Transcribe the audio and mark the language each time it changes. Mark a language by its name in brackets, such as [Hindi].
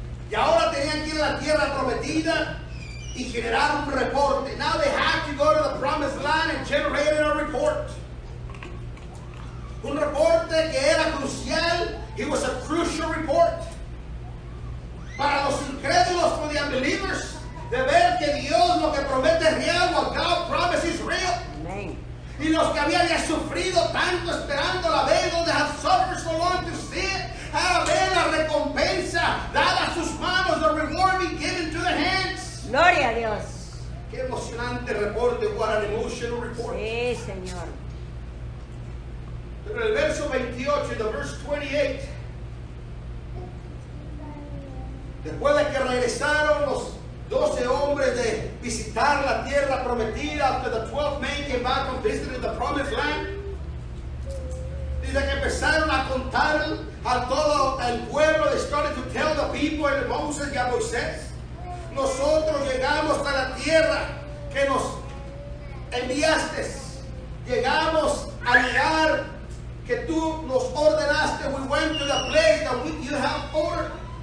[Spanish] Y ahora tenían que ir a la tierra prometida y generar un reporte. [English] Now they have to go to the promised land and generate a report. [Spanish] Un reporte que era crucial. [English] It was a crucial report. [Spanish] Para los incrédulos, [English] for the unbelievers, [Spanish] de ver que Dios lo que promete es real, [English] what God promises is real. [Spanish] Amen. Y los que habían ya sufrido tanto esperando la vez, [English] they have suffered so long to see it. [Spanish] Ahora ven la recompensa dada a sus manos, [English] the reward being given to the hands. [Spanish] Gloria a Dios. Qué emocionante reporte. [English] What an emotional report. [Spanish] Sí, Señor. Pero el verso 28, [English] the verse 28. [Spanish] Después de que regresaron los 12 hombres de visitar la tierra prometida, [English] after the 12 men came back and visited the promised land, [Spanish] dice que empezaron a contar a todo el pueblo. [English] They started to tell the people and Moses and Moisés. [Spanish] Nosotros llegamos a la tierra que nos enviaste. Llegamos al lugar que tú nos ordenaste. [English] We went to the place that we, you have ordered.